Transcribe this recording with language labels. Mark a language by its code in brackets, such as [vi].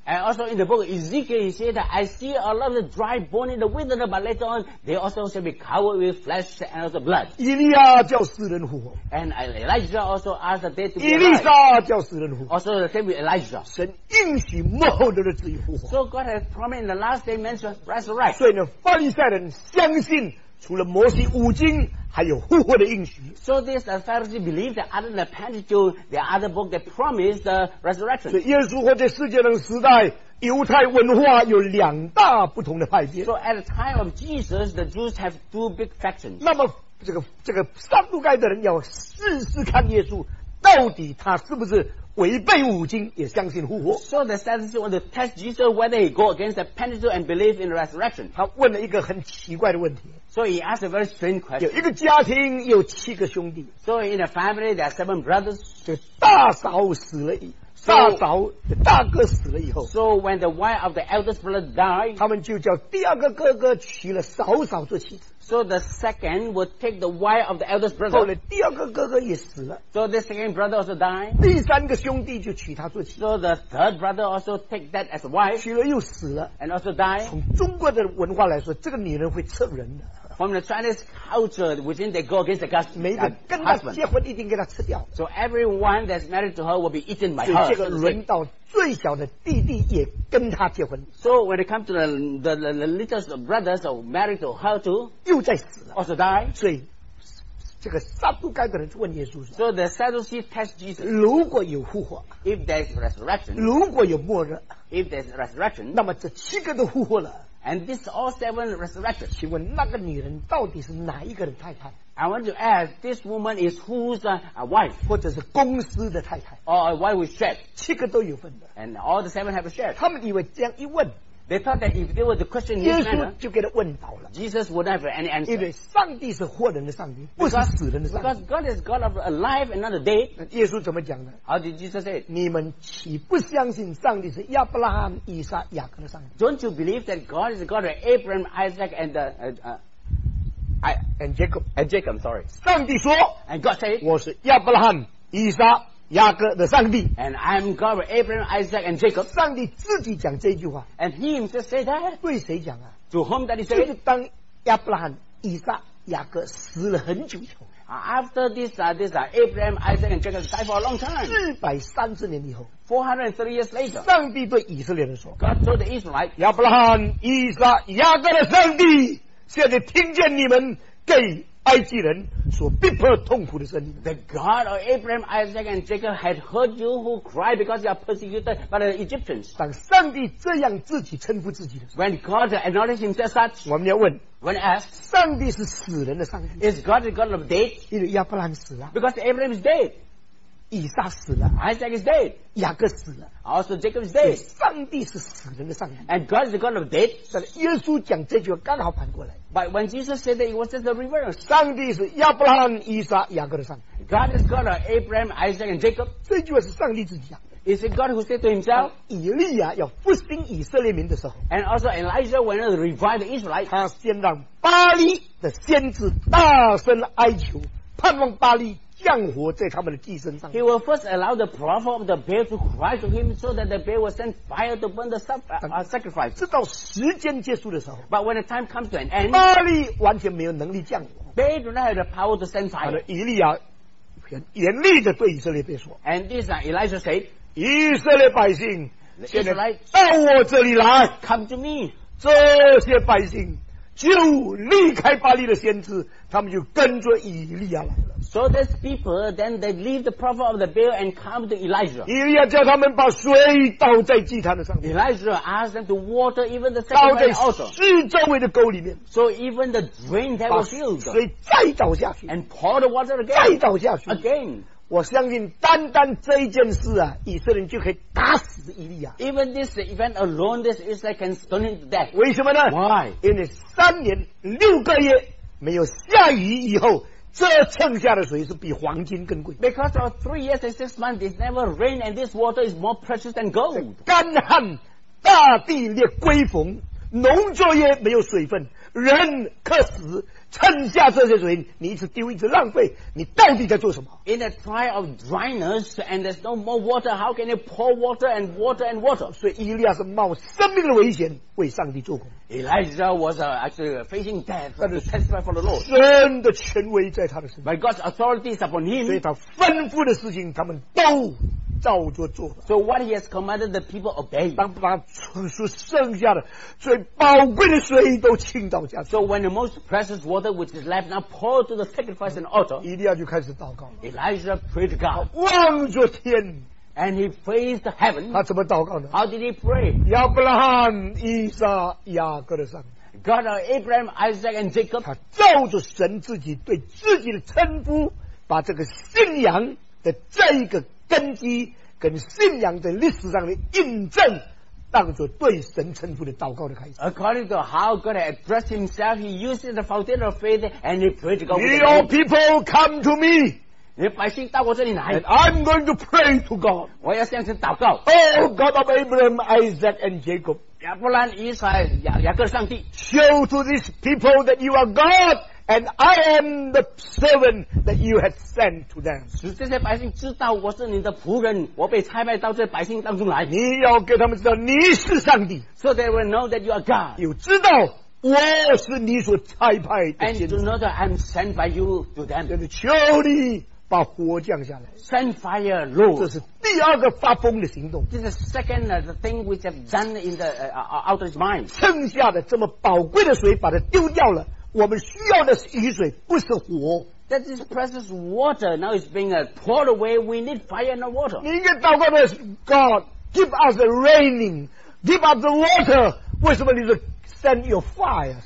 [en] And also in the book of Ezekiel he said that I see a lot of dry bone in the wilderness but later on they also shall be covered with flesh and also blood。 [zh] 以利亚叫死人复活。 [en] And Elijah also asked the dead to be alive。 [zh] 以利沙叫死人复活。 [en] Also the same with Elijah。 [zh] 神应许末后的日子复活。 [en] So God has promised in the last day men shall resurrect。 [zh] 所以呢法利赛人相信除了摩西五经还有复活的应许。 [en] So this Pharisee believed that other than the Pentateuch the other book that promised the resurrection。 [zh] 所以耶稣活在世界的时代犹太文化有两大不同的派别。 [en] So at the time of Jesus the Jews have two big factions。 [zh] 那么这个撒杜盖的人要试试看耶稣到底他是不是违背五经也相信复活。 [en] So the Sadducees want to test Jesus whether he go against the Pentateuch and believe in the resurrection。 [zh] 他问了一个很奇怪的问题。 [en] So he asked a very strange question。 [zh] 有一个家庭有七个兄弟。 [en] So in a family there are seven brothers。 [zh] 就大嫂死了以大嫂大哥死了以后。 [en] So when the wife of the eldest brother died， [zh] 他们就叫第二个哥哥娶了嫂嫂做妻子。 [en] So the second would take the wife of the eldest brother。 [zh] 后来第二个哥哥也死了。 [en] So the second brother also died。 [zh] 第三个兄弟就娶他做妻子。 [en] So the third brother also take that as wife。 [zh] 娶了又死了。 [en] And also died。 [zh] 从中国的文化来说，这个女人会吃人的。 [en] From the Chinese culture, within they go against the husband。 [zh] 每个跟她结婚一定给她吃掉。 [en] So everyone that's married to her will be eaten by her。 [zh] 这个轮到最小的弟弟也跟她结婚。 [en] So when it comes to the littlest brothers are married to her too， [zh] 又在死了。 [en] Also die。 [zh] 所以这个撒杜盖的人就问耶稣说 [en] ：So the Sadducees test Jesus。 [zh] 如果有复活 [en] ，If there's resurrection。 [zh] 如果有末日 [en] ，If there's resurrection。 [zh] 那么这七个都复活了。 [en] And this all seven resurrected。 [zh] 请问那个女人到底是哪一个人太太？ [en] I want to ask this woman is who's a wife， [zh] 或者是公司的太太。 [en] Or a wife with share， [zh] 七个都有份的。 [en] And all the seven have a share。 [zh] 他们以为这样一问， [en] They thought that if they were to question this manner， [zh] 耶稣就给他问倒了。 [en] Jesus would have any answer。 [zh] 因为上帝是活人的上帝，不是死人的上帝。 [en] Because God is God of alive and not dead。 [zh] 耶稣怎么讲呢？ [en] How did Jesus say it？ [zh] 你们岂不相信上帝是亚伯拉罕、以撒、雅各的上帝？ [en] Don't you believe that God is God of Abraham, Isaac and Jacob. [zh] 上帝说 [en] ，And God said， [zh] 我是亚伯拉罕、以撒、雅各的上帝。 [en] And I'm God of Abraham, Isaac, and Jacob。 [zh] 上帝自己讲这句话。 [en] And He himself said that。 [zh] 对谁讲啊 [en] ？To whom did He say？ [zh] 就是当亚伯拉罕、以撒、雅各死了很久以后。 [en] After this, Abraham, Isaac, and Jacob died for a long time。 [zh] 430年以后。 [en] 430 years later。 [zh] 上帝对以色列人说 [en] ，God told the Israelites， [zh] 亚伯拉罕、以撒、雅各的上帝。现在听见你们给埃及人所逼迫痛苦的声音。 [en] The God of Abraham, Isaac, and Jacob had heard you who cry because you are persecuted by the Egyptians。 [zh] 当上帝这样自己称呼自己的时候 [en] ，When God acknowledged himself such， [zh] 我们要问 [en] ，When asked， [zh] 上帝是死人的上帝 [en] ？Is God the God of dead？ [zh] 因为亚伯拉罕死了 [en] ，Because Abraham is dead。 [zh] 以撒死了 [en] ，Isaac is dead。 [zh] 雅各死了 [en] ，Also Jacob is dead。 [zh] 上帝是死人的上帝 [en] ，And God is the God of dead。 [zh] 但耶稣讲这句话刚好反过来 [en] ，But when Jesus said that it was just the reverse。 [zh] 上帝是亚伯拉罕、以撒、雅各的上帝 [en] ，God is God of Abraham, Isaac and Jacob。 [zh] 这句话是上帝自己讲的 [en] Is it God who said to himself? [zh] 以利亚要复兴以色列民的时候。 [en] And also Elijah went to revive the Israelites. [zh] 他先让巴利的先知大声哀求，盼望巴利降火在他们的祭身上。 [en] He will first allow the prophet of the Baal to cry to him so that the Baal will send fire to burn the sacrifice. [zh] 直到时间结束的时候。 [en] But when the time comes to an end, [zh] 巴利完全没有能力降火。 [en] Baal do not have the power to send fire. [zh] 以利亚严厉的对以色列别说。 [en] And this Elijah said, [zh] 以色列百姓现在到我这里来 [en] come to me. [zh] 这些百姓就离开巴利的先知他们就跟着以利亚来了 [en] so these people then they leave the prophet of the Baal and come to Elijah [zh] 以利亚叫他们把水倒在祭坛的上面 [en] Elijah asked them to water even the sacrifice also [zh] 倒在四周围的沟里面 [en] so even the drain that was filled [zh] 把水再倒下去 [en] and pour the water again [zh] 再倒下去 [en] again [zh] 我相信单单这一件事啊，以色列就可以打死以利亚。 [en] Even this event alone, this Israel can stone him to death. [zh] 为什么呢 [en] ？Why? [zh] 因为三年六个月没有下雨以后，这蹭下的水是比黄金更贵。 [en] Because of 3 years and 6 months, it never rained, and this water is more precious than gold. [zh] 干旱，大地烈归逢，农作业没有水分，人渴死。蹭下这些水你一直丢一直浪费你到底在做什么 [en] In a time of dryness and there's no more water how can you pour water and water and water [zh] 所以以利亚是冒生命的危险为上帝做工 [en] Elijah was actually facing death to testify for the Lord [zh] 神的权威在他的身上 [en] But God's authority is upon him [zh] 所以他吩咐的事情他们都照着做 [en] So what he has commanded the people obey [zh] 当把剩下的最宝贵的水都倾倒下去 [en] So when the most precious water which is left now poured to the sacrifice and altar [zh] 以利亚就开始祷告 [en] Elijah prayed to God [zh] 望着天 [en] And he praised heaven [zh] 他怎么祷告呢 [en] How did he pray [zh] 亚伯拉罕以撒雅各的上帝 [en] God of Abraham Isaac and Jacob [zh] 他照着神自己对自己的称呼把这个信仰的这一个根基跟信仰在历史上的印证当作对神称呼的祷告的开始 [en] According to how God addressed himself he uses the foundation of faith and he prayed to God Your people come to me [zh] 你的百姓到我这里来 [en] And I'm going to pray to God [zh] 我要向神祷告 [en] Oh God of Abraham, Isaac and Jacob [zh] 亚伯兰、以撒、雅各上帝 [en] Show to these people that you are GodAnd I am the servant that you had sent to them. [zh] 使这些百姓知道我是你的仆人，我被差派到这百姓当中来。你要给他们知道你是上帝。 [en] So they will know that you are God. [zh] 有知道我是你所差派的。 [en] And to know that I'm sent by you to them. [zh] 就是求你把火降下来。 [en] Send fire, Lord. [zh] 这是第二个发疯的行动。 [en] This is second the thing which have done in the out of his mind. [zh] 剩下的这么宝贵的水把它丢掉了。我们需要的是雨水不是火 [en] That is precious water now is being poured away we need fire and water [zh] 你应该祷告的是 [en] God give us the raining give us the water [zh] 为什么你是 [en] send your fire